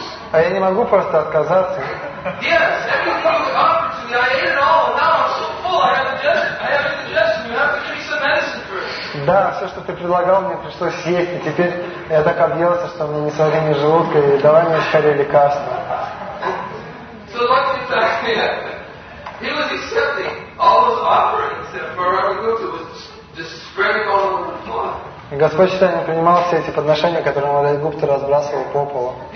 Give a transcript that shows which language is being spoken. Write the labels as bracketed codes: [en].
[ru] А я не могу просто отказаться. [en] Yes, everything you offered to me, I ate it all. Now I'm so full. I have indigestion. You have to give me some medicine first. [ru] Да, все, что ты предлагал, мне пришлось съесть, и теперь я так объелся, что у меня не сварение желудка, и давай мне скорее лекарство. [en] So what did he say? He was accepting all those offerings for Raghunatha was just spreading all over the floor. [ru] И Господь Читания принимал все эти подношения, которые Мурари Гупта разбрасывал по полу.